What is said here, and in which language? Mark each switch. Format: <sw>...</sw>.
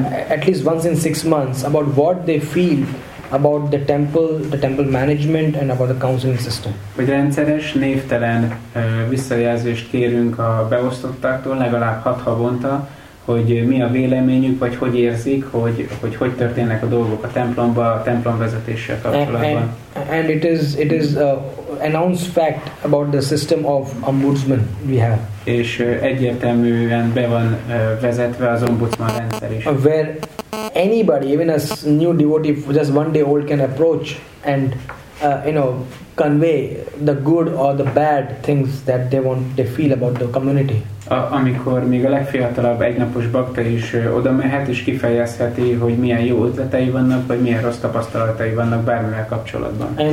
<en>At least once in 6 months about what they feel about the temple management and about the counseling system.</en> <hu>Vagy rendszeres, névtelen visszajelzést kérünk a beosztottáktól legalább 6 havonta, hogy mi a véleményük, vagy hogy érzik, hogy történnek a dolgok a templomban, a templom vezetéssel kapcsolatban.</hu> <en>And it is announced fact about the system of ombudsman we have.</en> <hu>És egyértelműen be van vezetve az ombudsman rendszer is.</hu> <en>Where anybody, even a new devotee, just one day old, can approach and you know, convey the good or the bad things that they want, they feel about the community.</en> <hu>Amikor még a legfiatalabb egynapos bakta is oda mehet és kifejezheti, hogy milyen jó ötletei vannak, vagy milyen rossz tapasztalatai vannak bármivel kapcsolatban.</hu>